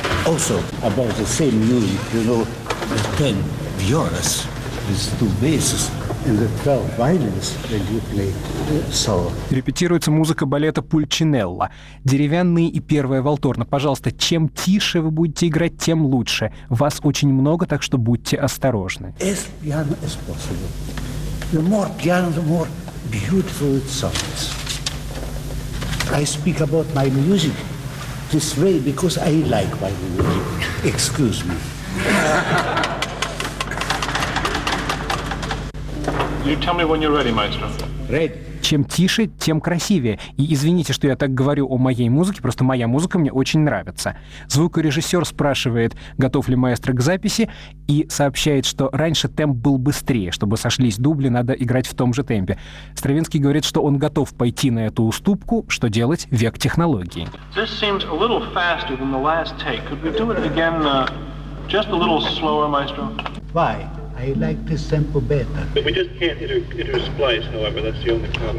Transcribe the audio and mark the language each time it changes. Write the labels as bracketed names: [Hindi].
[English] Also, about the same music, you know, the 10 violas with two basses and the 12 violins that you play solo. [Russian] Репетируется музыка балета «Пульчинелла». Деревянные и первая валторна. Пожалуйста, чем тише вы будете играть, тем лучше. Вас очень много, так что будьте осторожны. [English] As piano as possible. The more piano, the more beautiful it sounds. I speak about my music. This way, because I like my music. Excuse me. You tell me when you're ready, maestro. Ready. [Russian] Чем тише, тем красивее. И извините, что я так говорю о моей музыке, просто моя музыка мне очень нравится. Звукорежиссер спрашивает, готов ли маэстро к записи, и сообщает, что раньше темп был быстрее. Чтобы сошлись дубли, надо играть в том же темпе. Стравинский говорит, что он готов пойти на эту уступку, что делать век технологий. [English] This seems a little faster than the last take. Could we do it again, just a little slower, maestro? Why? I like this tempo better. But we just can't intersplice, however, that's the only problem.